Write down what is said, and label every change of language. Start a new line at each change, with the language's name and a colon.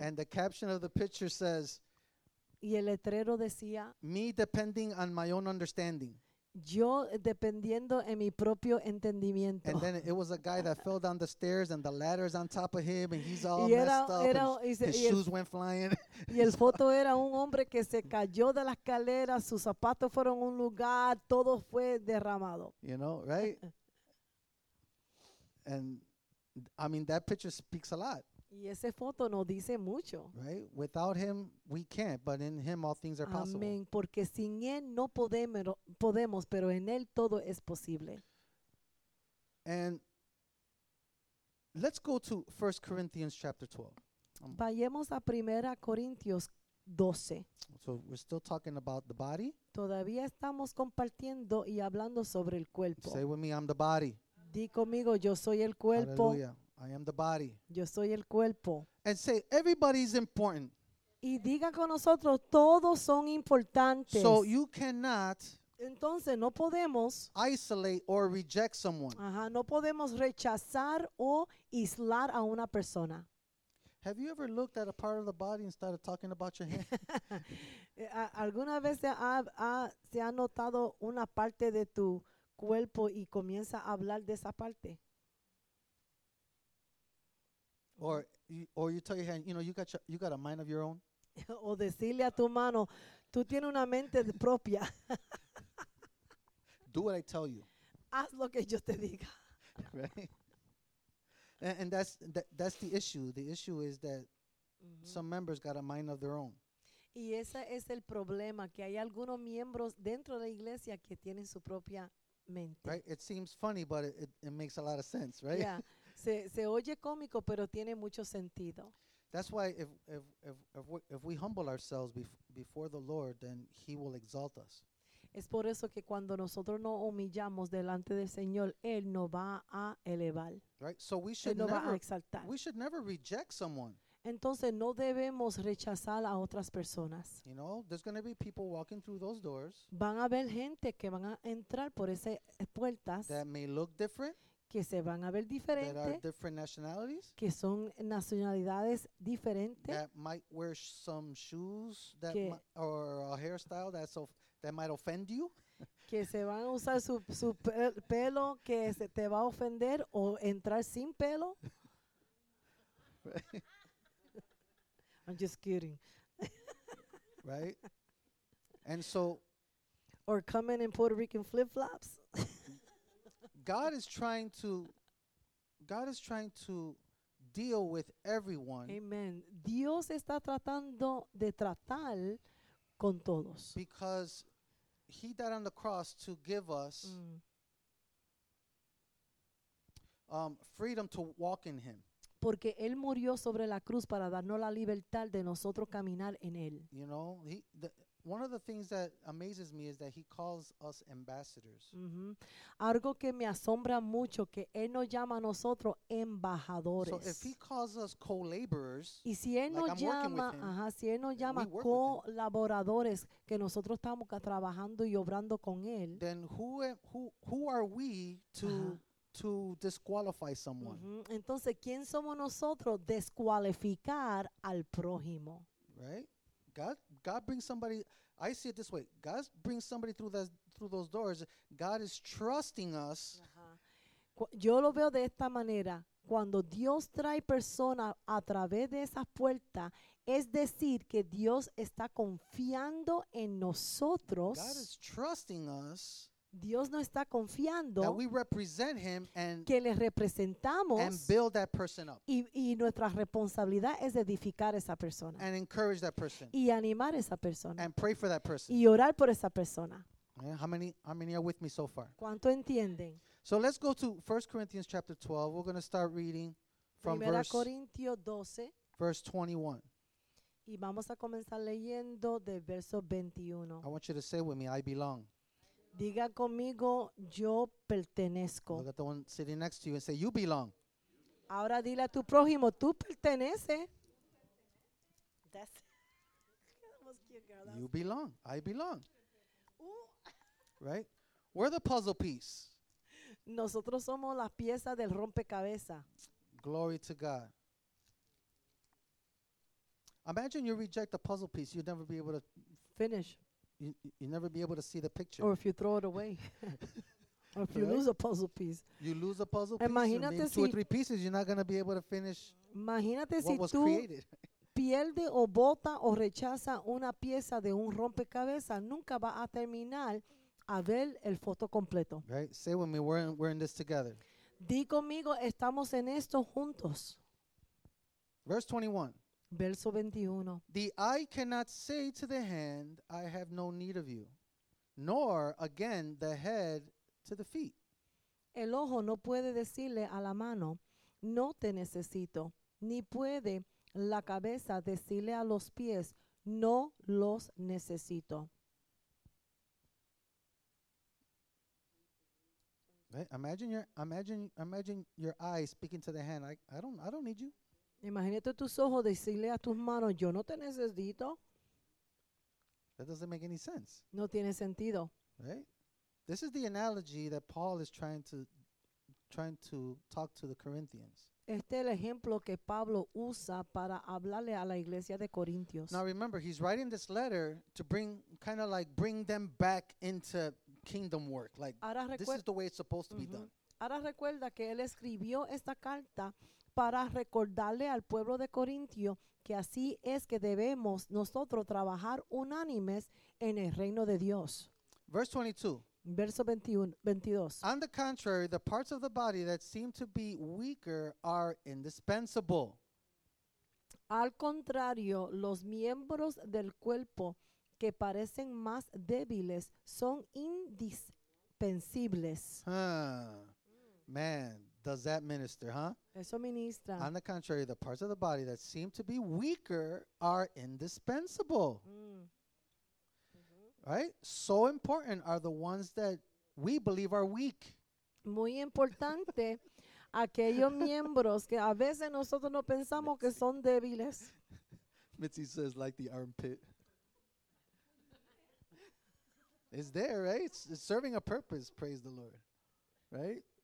English: And the caption of the picture says,
Spanish: y el letrero decía,
English: me depending on my own understanding.
Spanish: Yo dependiendo en mi propio entendimiento.
English: And then it was a guy that fell down the stairs and the ladder's on top of him and he's all messed up. His shoes went flying.
Spanish: Y el foto era un hombre que se cayó de las escaleras, sus zapatos fueron a un lugar, todo fue derramado.
English: You know, right? And I mean, that picture speaks a lot.
Spanish: Y esa foto nos dice mucho.
English: Right? Without Him, we can't, but in Him, all things are possible.
Spanish: Amén. Porque sin Él no podemos, pero en Él todo es posible.
English: And let's go to 1 Corinthians chapter 12.
Spanish: Vayamos a 1 Corintios 12.
English: So we're still talking about the body.
Spanish: Todavía estamos compartiendo y hablando sobre el cuerpo.
English: Say with me, I'm the body.
Spanish: Di conmigo, yo soy el cuerpo.
English: Hallelujah. I am the body.
Spanish: Yo soy el cuerpo.
English: And say, everybody is important.
Spanish: Y diga con nosotros, todos son importantes.
English: So you cannot.
Spanish: Entonces no podemos.
English: Isolate or reject someone.
Spanish: Ajá, no podemos rechazar o aislar a una persona.
English: Have you ever looked at a part of the body and started talking about your hand?
Spanish: ¿Alguna vez se ha notado una parte de tu cuerpo y comienza a hablar de esa parte?
English: Or you tell your hand, you know, you got a mind of your own.
Spanish: O decirle a tu mano, tú tienes una mente propia.
English: Do what I tell you.
Spanish: Haz lo que yo te diga.
English: Right? And that's the issue. The issue is that some members got a mind of their own.
Spanish: Y ese es el problema, que hay algunos miembros dentro de la iglesia que tienen su propia mente.
English: Right? It seems funny, but it makes a lot of sense, right? Yeah.
Spanish: Se oye cómico, pero tiene mucho sentido.
English: That's why if we humble ourselves before the Lord, then He will exalt us.
Spanish: Es por eso que cuando nosotros nos humillamos delante del Señor, Él nos va a elevar.
English: Right? So we should never should never reject someone.
Spanish: Entonces no debemos rechazar a otras personas.
English: You know, there's going to be people walking through those doors.
Spanish: Van a haber gente que van a entrar por esas puertas.
English: That may look different.
Spanish: Que se van a ver diferentes, que son nacionalidades diferentes,
English: that might wear some shoes that or a hairstyle that might offend you,
Spanish: que se van a usar su pelo que se te va a ofender o entrar sin pelo.
English: Right. I'm just kidding. Right? And so, or coming in Puerto Rican flip-flops. God is trying to God is trying to deal with everyone. Amen.
Spanish: Dios está tratando de tratar con todos.
English: Because he died on the cross to give us freedom to walk in him.
Spanish: Porque él murió sobre la cruz para darnos la libertad de nosotros caminar en él.
English: You know, one of the things that amazes me is that he calls us ambassadors. Mm-hmm.
Spanish: Algo que me asombra mucho que él nos llama a nosotros embajadores.
English: So if he calls us co-laborers,
Spanish: y si él nos llama, si él nos llama colaboradores, que nosotros estamos trabajando y obrando con él,
English: then who are we to to disqualify someone? Mm-hmm.
Spanish: Entonces, ¿quién somos nosotros descualificar al prójimo?
English: Right? God brings somebody. I see it this way. God brings somebody through those doors. God is trusting us.
Spanish: Yo lo veo de esta manera. Cuando Dios trae personas a través de esas puertas, es decir, que Dios está confiando en nosotros.
English: God is trusting us.
Spanish: Dios nos está confiando
English: that we represent him and
Spanish: que le representamos
English: and build that person up.
Spanish: Y nuestra responsabilidad es edificar esa persona
English: and encourage that person
Spanish: y animar esa persona
English: and pray for that person
Spanish: y orar por esa persona.
English: Yeah, how many are with me so far?
Spanish: ¿Cuánto entienden?
English: So let's go to 1 Corinthians chapter 12. We're going to start reading from verse 21.
Spanish: Y vamos a comenzar leyendo de verso 21.
English: I want you to say with me, I belong.
Spanish: Diga conmigo, yo pertenezco.
English: Look at the one sitting next to you and say, you belong.
Spanish: Ahora dile a tu prójimo, tú perteneces.
English: That's that was cute, girl. That you was belong. Cute. I belong. Right? We're the puzzle piece.
Spanish: Nosotros somos las piezas del rompecabezas.
English: Glory to God. Imagine you reject a puzzle piece, you'd never be able to finish. You never be able to see the picture. Or if you throw it away. Or if you right? lose a puzzle piece. You lose a puzzle piece.
Spanish: Imagínate,
English: you made two or three pieces, you're not going to be able to finish
Spanish: imagínate
English: what
Spanish: si
English: was created.
Spanish: Pierde o bota o rechaza una pieza de un rompecabezas, nunca va a terminar a ver el foto completo.
English: Right? Say with me, we're in this together.
Spanish: Di conmigo, estamos en esto juntos.
English: Verse 21.
Spanish: Verso 21.
English: The eye cannot say to the hand, I have no need of you, nor again the head to the feet.
Spanish: El ojo no puede decirle a la mano, no te necesito, ni puede la cabeza decirle a los pies, no los necesito.
English: Right? Imagine your eye speaking to the hand, I don't need you.
Spanish: Imagínate tus ojos decirle a tus manos, yo no te necesito.
English: That doesn't make any sense.
Spanish: No tiene sentido.
English: Right? This is the analogy that Paul is trying to talk to the Corinthians.
Spanish: Este es el ejemplo que Pablo usa para hablarle a la iglesia de Corintios.
English: Now remember, he's writing this letter to bring them back into kingdom work. Like, this is the way it's supposed to be done.
Spanish: Ahora recuerda que él escribió esta carta para recordarle al pueblo de Corintio que así es que debemos nosotros trabajar unánimes en el reino de Dios.
English: Verse 22.
Spanish: Verso 22.
English: On the contrary, the parts of the body that seem to be weaker are indispensable.
Spanish: Al contrario, los miembros del cuerpo que parecen más débiles son indispensables.
English: Man. Does that minister, huh?
Spanish: Eso ministra.
English: On the contrary, the parts of the body that seem to be weaker are indispensable. Mm-hmm. Right? So important are the ones that we believe are weak.
Spanish: Muy importante aquellos miembros que a veces nosotros no pensamos Mitzi. Que son débiles.
English: Mitzi says, like the armpit. It's there, right? It's serving a purpose, praise the Lord. Right?